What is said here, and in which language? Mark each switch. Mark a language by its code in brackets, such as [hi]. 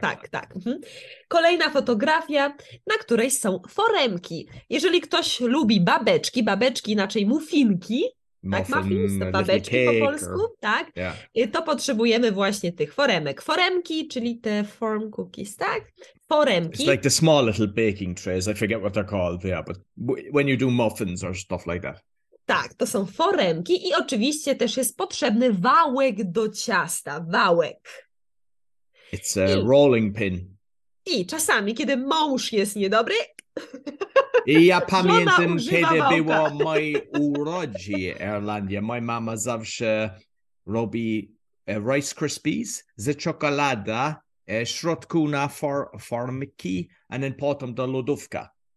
[pl] Tak, tak. Kolejna fotografia, na której są foremki. Jeżeli ktoś lubi babeczki, babeczki inaczej muffinki, tak, muffins to babeczki po polsku, [en] or... [pl] tak? [en] Yeah. [pl] To potrzebujemy właśnie tych foremek. Foremki, czyli te [en] form cookies, [pl] tak? Foremki. [en] It's like the small little baking trays, I forget what they're called, yeah, but when you do muffins or stuff like that. [pl] Tak, to są foremki i oczywiście też jest potrzebny wałek do ciasta, wałek. [en] It's a rolling pin. [pl] I czasami, kiedy mąż jest niedobry... I ja pamiętam, kiedy było moje urodzie w Irlandii, moja mama zawsze robi Rice Krispies z czekolada, środku na formki, a potem do lodówka.